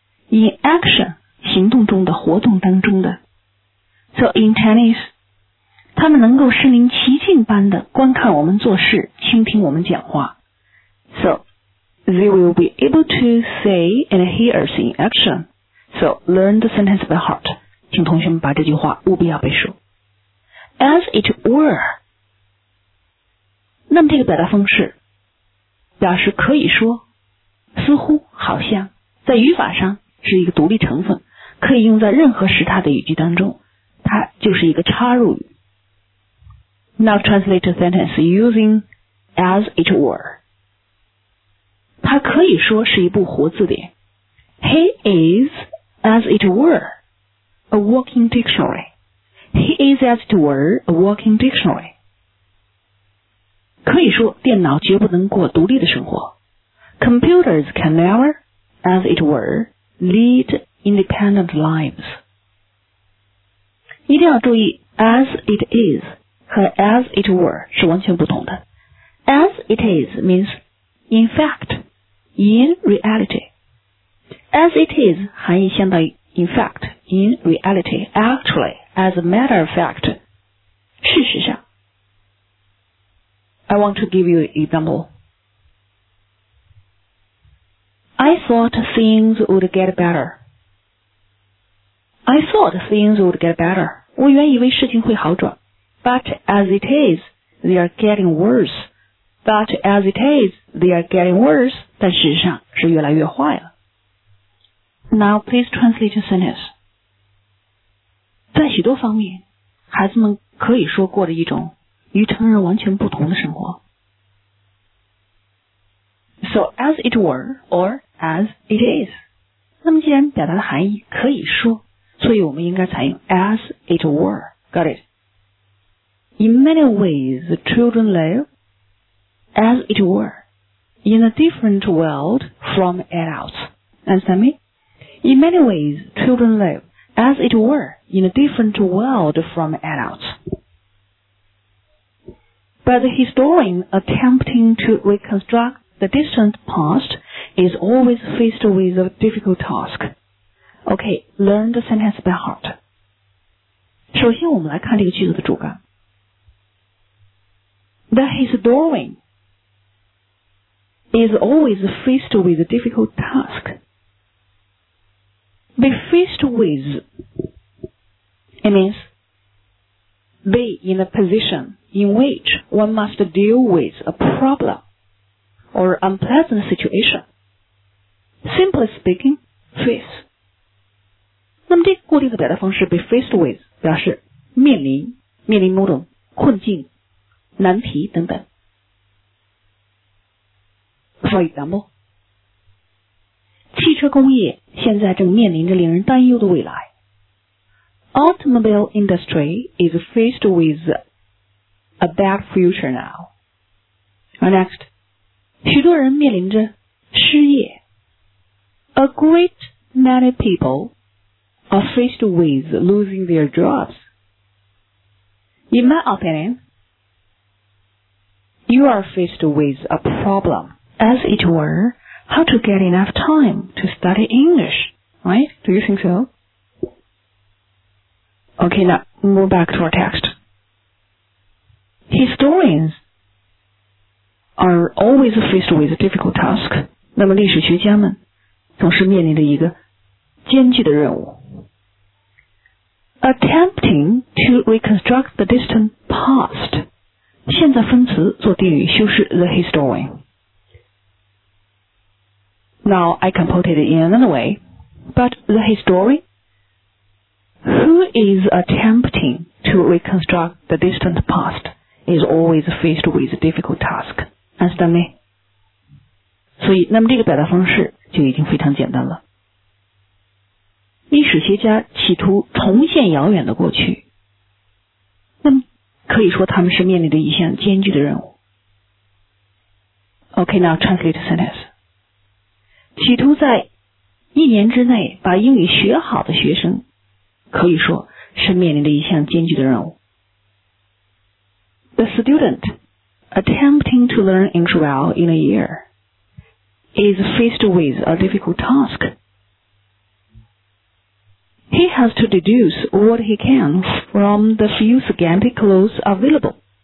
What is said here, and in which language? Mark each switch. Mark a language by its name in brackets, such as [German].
[English] In action, [Chinese] 行动中的活动当中的。 [English] So in Chinese, [Chinese] 他们能够身临其境般的观看我们做事，倾听我们讲话。 [English] So they will be able to say and hear us in action. So, learn the sentence by heart. [Chinese] 请同学们把这句话务必要背熟。 [English] As it were. [Chinese] 那么这个表达方式表示可以说、似乎、好像，在语法上是一个独立成分，可以用在任何时态的语句当中，它就是一个插入语。 [English] Now translate the sentence using as it were. [Chinese] 它可以说是一部活字典。 [English] He isAs it were, a walking dictionary. He is as it were, a walking dictionary. [Chinese] 可以说电脑绝不能过独立的生活。 [English] Computers can never, as it were, lead independent lives. [Chinese] 一定要注意 [English] as it is [Chinese] 和 [English] as it were [Chinese] 是完全不同的。 [English] As it is means in fact, in reality. As it is, [Chinese] 含义相当于 [English] in fact, in reality, actually, as a matter of fact, [Chinese] 事实上。 [English] I want to give you an example. I thought things would get better. I thought things would get better. [Chinese] 我原以为事情会好转。 [English] But as it is, they are getting worse. But as it is, they are getting worse. [Chinese] 但事实上是越来越坏了。 [English] Now, please translate your sentence. [Chinese] 在许多方面，孩子们可以说过着一种与成人完全不同的生活。 [English] So, as it were, or as it is. [Chinese] 那么既然表达的含义可以说，所以我们应该采用 [English] as it were. Got it? In many ways, children live as it were in a different world from adults. Understand me? In many ways, children live as it were in a different world from adults. But the historian attempting to reconstruct the distant past is always faced with a difficult task. Okay, learn the sentence by heart. [Chinese] 首先我们来看这个句子的主干。 [English] The historian is always faced with a difficult task. Be faced with, it means be in a position in which one must deal with a problem or unpleasant situation. Simply speaking, face. [Chinese] 那么这固定的表达方式 [English] be faced with [Chinese] 表示面临某种困境难题等等。 [English] For example, [Chinese] 汽车工业现在正面临着令人担忧的未来。 [English] Automobile industry is faced with a bad future now. Next, [Chinese] 许多人面临着失业。 [English] A great many people are faced with losing their jobs. In my opinion, you are faced with a problem. As it were, how to get enough time to study English, right? Do you think so? Okay, now, move back to our text. Historians are always faced with a difficult task. [Chinese] 那么历史学家们总是面临着一个艰巨的任务。 [English] Attempting to reconstruct the distant past. [Chinese] 现在分词做定语修饰 [English] the historian. Now, I can put it in another way, but the historian, who is attempting to reconstruct the distant past, is always faced with a difficult task. Understand me? [Chinese] 所以，那么这个表达方式就已经非常简单了。历史学家企图重现遥远的过去，那么可以说他们是面临着一项艰巨的任务。 [English] Okay, now translate the sentence. [Chinese] 企图在一年之内把英语学好的学生可以说是面临着一项艰巨的任务。 [English] The student attempting to learn English well in a year is faced with a difficult task. He has to deduce what he can from the few scanty clothes available.